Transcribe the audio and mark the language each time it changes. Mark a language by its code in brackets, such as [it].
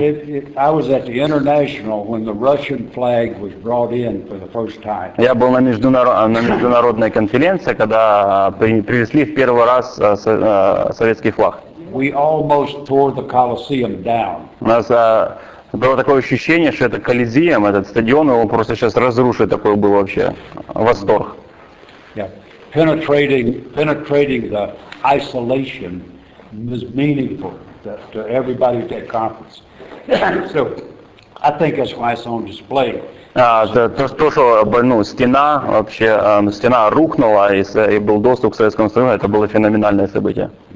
[ru] Я был на международной конференции, когда привезли в первый раз советский флаг. [en] We almost tore the Colosseum down. [ru] У нас было такое ощущение, что это Колизеем, этот стадион, его просто сейчас разрушит. Такой был вообще восторг. [en] Yeah. Penetrating the isolation was meaningful to everybody at that conference. So, I think that's why it's on display. [ru] То, что стена вообще стена рухнула и был доступ к Советскому Союзу, это было феноменальное событие.